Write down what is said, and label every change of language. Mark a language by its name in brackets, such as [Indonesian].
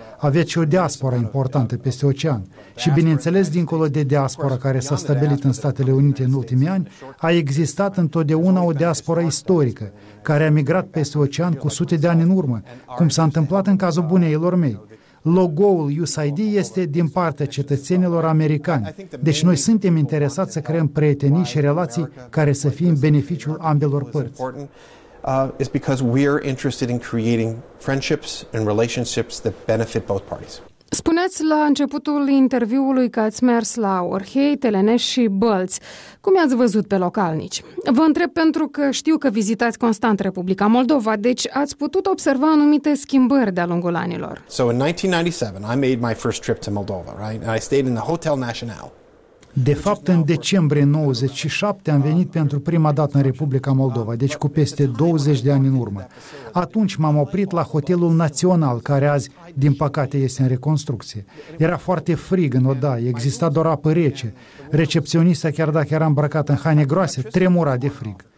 [Romanian] Aveți și o diasporă importantă peste ocean. Și bineînțeles, dincolo de diaspora care s-a stabilit în Statele Unite în ultimii ani, a existat întotdeauna o diasporă istorică, care a migrat peste ocean cu sute de ani în urmă, cum s-a întâmplat în cazul buneilor mei. Logo-ul USAID este din partea cetățenilor americani. Deci noi suntem interesați să creăm prietenii și relații care să fie în beneficiul ambelor părți. [English] Is because we are interested in creating friendships and relationships that benefit both parties. [Romanian] Spuneți la începutul interviului că ați mers la Orhei, Telenești și Bălți. Cum i-ați văzut pe localnici? Vă întreb pentru că știu că vizitați constant Republica Moldova, deci ați putut observa anumite schimbări de-a lungul anilor. [English] So in 1997 I made my first trip to Moldova, right? And I stayed in the Hotel National. [Romanian] De fapt, în decembrie 97 am venit pentru prima dată în Republica Moldova, deci cu peste 20 de ani în urmă. Atunci m-am oprit la Hotelul Național, care azi, din păcate, este în reconstrucție. Era foarte frig în odaie, exista doar apă rece. Recepționista, chiar dacă era îmbrăcat în haine groase, tremura de frig.